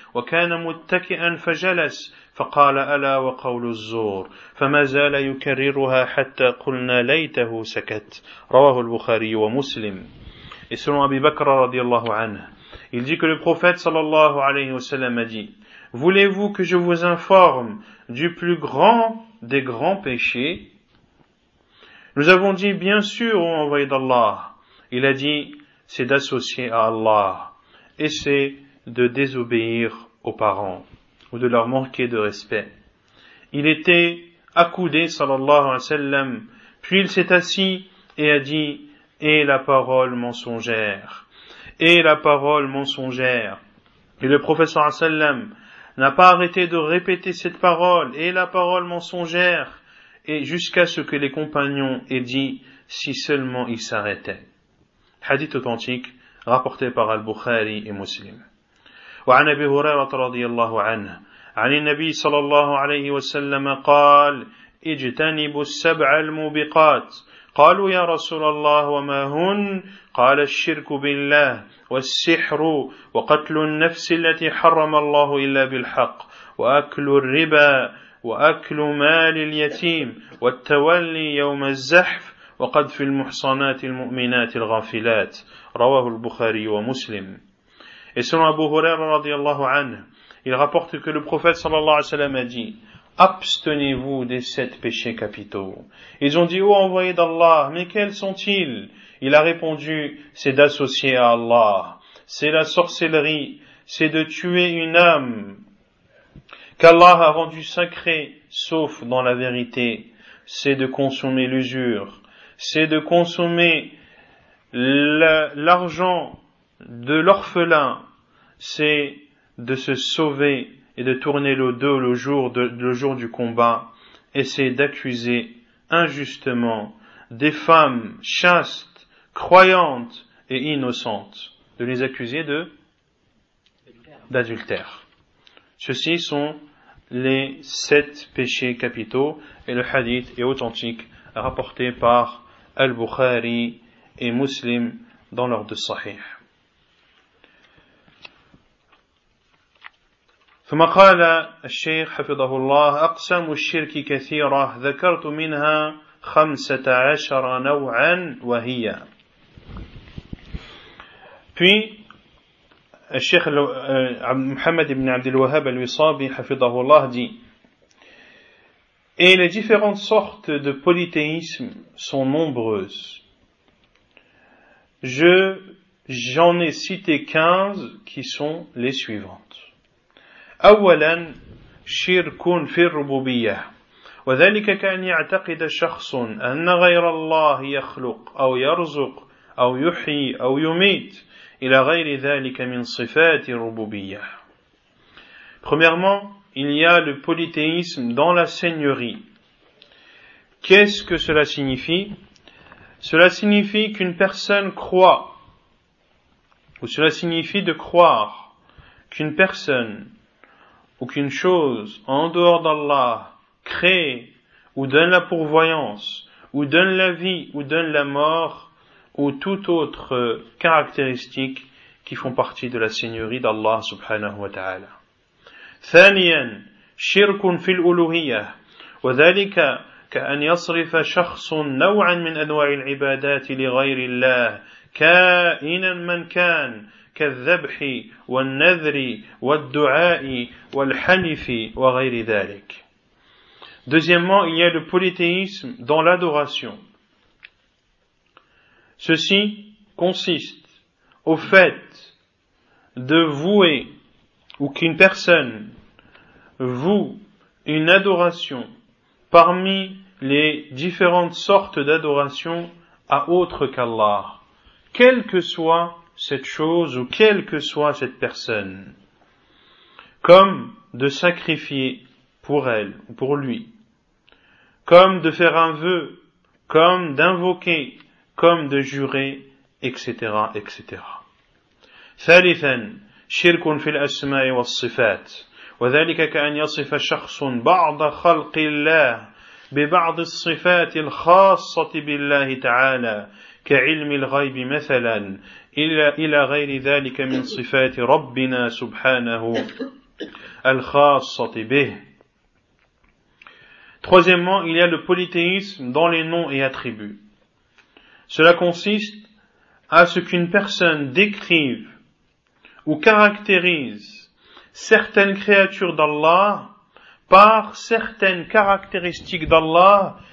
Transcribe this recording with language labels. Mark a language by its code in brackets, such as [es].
[ar] وكان متكئا فجلس فقال ألا وقول الزور. فما زال يكررها حتى قلنا ليته سكت. رواه البخاري ومسلم. [fr] Et selon Abi Bakr radiallahu anhu, il dit que le prophète sallallahu alayhi wa sallam a dit, voulez-vous que je vous informe du plus grand des grands péchés? Nous avons dit, bien sûr, ô envoyé d'Allah. Il a dit, c'est d'associer à Allah. Et c'est de désobéir aux parents. Ou de leur manquer de respect. Il était accoudé, sallallahu alayhi wa sallam. Puis il s'est assis et a dit, et la parole mensongère. Et la parole mensongère. Et le prophète sallallahu alayhi wa sallam n'a pas arrêté de répéter cette parole. Et la parole mensongère. Et jusqu'à ce que les compagnons aient dit, si seulement ils s'arrêtaient. Hadith authentique, rapporté par Al-Bukhari et Muslim. [ar] Wa an Abi Hurairah radiyallahu anhu. عن النبي صلى الله عليه وسلم قال اجتنبوا السبع الموبقات قالوا يا رسول الله وما هن قال الشرك بالله والسحر وقتل النفس التي حرم الله إلا بالحق وأكل الربا وأكل مال اليتيم والتولي يوم الزحف وقذف المحصنات المؤمنات الغافلات رواه البخاري ومسلم اسمع أبو هريرة رضي الله عنه. [fr] Il rapporte que le prophète sallallahu alayhi wa sallam a dit, abstenez-vous des sept péchés capitaux. Ils ont dit, ô envoyé d'Allah, mais quels sont-ils? Il a répondu, c'est d'associer à Allah, c'est la sorcellerie, c'est de tuer une âme qu'Allah a rendue sacrée, sauf dans la vérité, c'est de consommer l'usure, c'est de consommer l'argent de l'orphelin, c'est de se sauver et de tourner le dos le jour du combat, et c'est d'accuser injustement des femmes chastes, croyantes et innocentes, de les accuser d'adultère. Ceci sont les sept péchés capitaux, et le hadith est authentique, rapporté par Al-Bukhari et Muslim dans leurs deux sahih. [ar] ثم قال الشيخ حفظه الله أقسام الشرك كثيرة ذكرت منها 15 نوعا وهي. [fr] Puis [ar] الشيخ محمد بن عبد الوهاب الوصابي حفظه الله [fr] dit: Et les différentes sortes de polythéisme sont nombreuses. J'en ai cité 15 qui sont les suivantes. [ar] أولا شرك في الربوبية وذلك كأن يعتقد شخص أن غير الله يخلق أو يرزق أو يحيي أو يميت إلى غير ذلك من صفات الربوبية. [fr] Premièrement, il y a le polythéisme dans la seigneurie. Qu'est-ce que cela signifie? Cela signifie qu'une personne croit, ou cela signifie de croire qu'une personne ou qu'une chose en dehors d'Allah crée ou donne la pourvoyance ou donne la vie ou donne la mort ou toute autre caractéristique qui font partie de la seigneurie d'Allah subhanahu wa ta'ala. [ar] ثانياً شرك في الألوهية وذلك كأن يصرف شخص نوعا من أنواع العبادات لغير الله كائنا من كان كالذبح والنذر والدعاء والحنف وغير ذلك. [fr] Deuxièmement, il y a le polythéisme dans l'adoration. Ceci consiste au fait de vouer ou qu'une personne voue une adoration parmi les différentes sortes d'adoration à autre qu'Allah, quelle que soit cette chose ou quelle que soit cette personne, comme de sacrifier pour elle ou pour lui, comme de faire un vœu, comme d'invoquer, comme de jurer, etc., etc. [ar] ثالثا شرك في الأسماء والصفات وذلك كأن يصف شخص بعض خلق الله ببعض الصفات الخاصة بالله تعالى كعلم الغيب مثلا إلى غير ذلك من صفات ربنا سبحانه الخاصة به. [fr] Troisièmement, il y a le polythéisme dans les noms et attributs. Cela consiste à ce qu'une personne décrive ou caractérise certaines créatures d'Allah par certaines caractéristiques d'Allah